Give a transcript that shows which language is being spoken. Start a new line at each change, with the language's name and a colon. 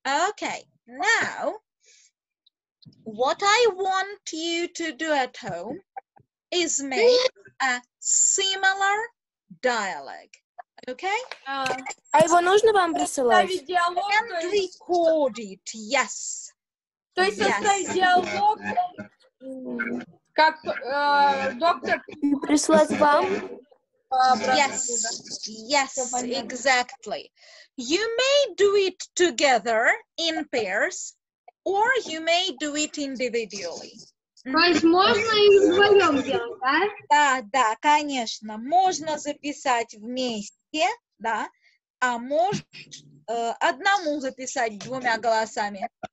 English: Okay, now, what I want you to do at home is make a similar dialogue, okay?
Russian: А его нужно вам присылать?
English: And record it, yes.
Russian: То есть оставить диалог? Как доктор прислать вам?
English: Yes, exactly. You may do it together in pairs, or you may do it individually.
Russian: Можно и вдвоем делать, да? Да, конечно. Можно записать вместе, да? А можно одному записать двумя голосами.